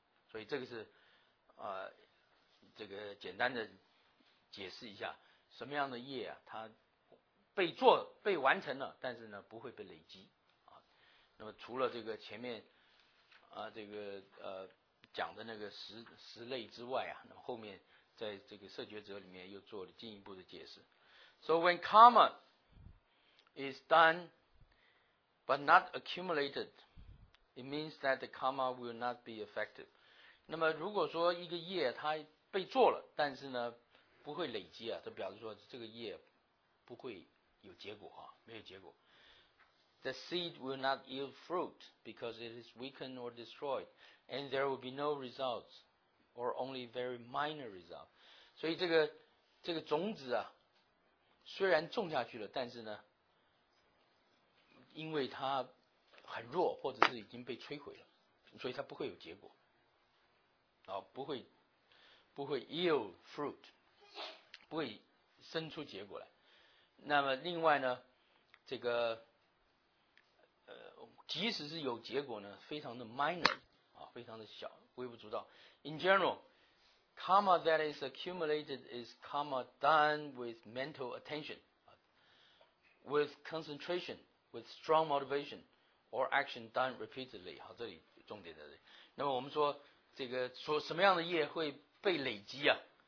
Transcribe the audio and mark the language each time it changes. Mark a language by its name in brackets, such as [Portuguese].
[Chinese] 所以这个是这个简单的解释一下，什么样的业啊，它被做被完成了，但是呢不会被累积啊。那么除了这个前面这个讲的那个十类之外啊，那么后面在这个摄觉者里面又做了进一步的解释。 [English] So when karma is done but not accumulated, it means that the karma will not be effective. [Chinese] 那么如果说一个业它被做了，但是呢不会累积啊，这表示说这个业不会有结果啊，没有结果。 [English] The seed will not yield fruit because it is weakened or destroyed, and there will be no results, or only very minor results. [Chinese] 所以这个种子啊，虽然种下去了，但是呢，因为它很弱，或者是已经被摧毁了，所以它不会有结果，啊，不会 [English] yield fruit， [Chinese] 不会生出结果来。那么另外呢，这个即使是有结果呢，非常的 minor 啊，非常的小，微不足道。 [English] In general, karma that is accumulated is karma done with mental attention, with concentration, with strong motivation, or action done repeatedly. [Chinese] 好，这里重点在这里。那么我们说，这个说什么样的业会被累积啊？